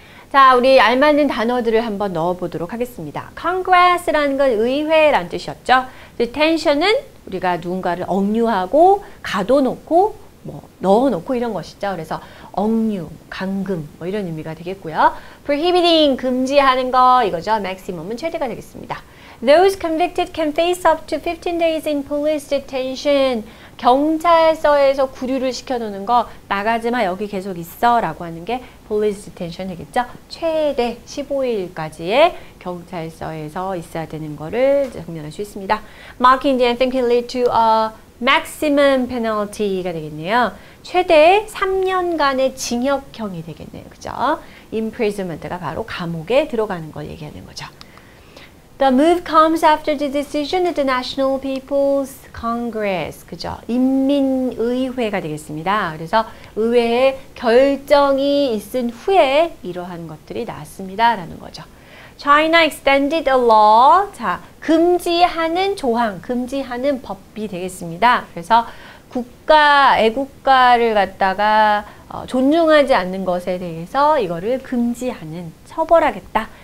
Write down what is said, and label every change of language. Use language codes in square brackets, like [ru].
[ko] 자, 우리 알맞은 단어들을 한번 넣어보도록 하겠습니다. Congress라는 건 의회라는 뜻이었죠. Detention은 우리가 누군가를 억류하고 가둬놓고 뭐 넣어놓고 이런 것이죠. 그래서 억류, 감금 뭐 이런 의미가 되겠고요. Prohibiting, 금지하는 거 이거죠. Maximum은 최대가 되겠습니다. [en] Those convicted can face up to 15 days in police detention. [ko] 경찰서에서 구류를 시켜놓는 거 나가지 마 여기 계속 있어 라고 하는 게 police detention 되겠죠. 최대 15일까지의 경찰서에서 있어야 되는 거를 정리할 수 있습니다. [en] Mocking the anthem can lead to a maximum penalty가 [ko] 되겠네요. 최대 3년간의 징역형이 되겠네요. 그죠? Imprisonment가 바로 감옥에 들어가는 걸 얘기하는 거죠. [en] The move comes after the decision of the National People's Congress. [ko] 그죠? 인민의회가 되겠습니다. 그래서 의회의 결정이 있은 후에 이러한 것들이 나왔습니다. 라는 거죠. [en] China extended a law. [ko] 자, 금지하는 조항, 금지하는 법이 되겠습니다. 그래서 국가, 애국가를 갖다가 존중하지 않는 것에 대해서 이거를 금지하는, 처벌하겠다.